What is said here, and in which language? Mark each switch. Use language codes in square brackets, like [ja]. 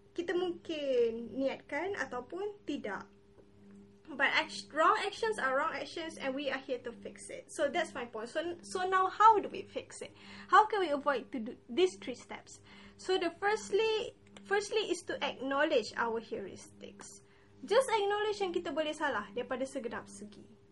[ms] Kita mungkin niatkan ataupun tidak. [en] But wrong actions are wrong actions and we are here to fix it. So that's my point. So now how do we fix it? How can we avoid to do these three steps? So the firstly is to acknowledge our heuristics. Just acknowledge [ms] yang kita boleh salah daripada segenap segi.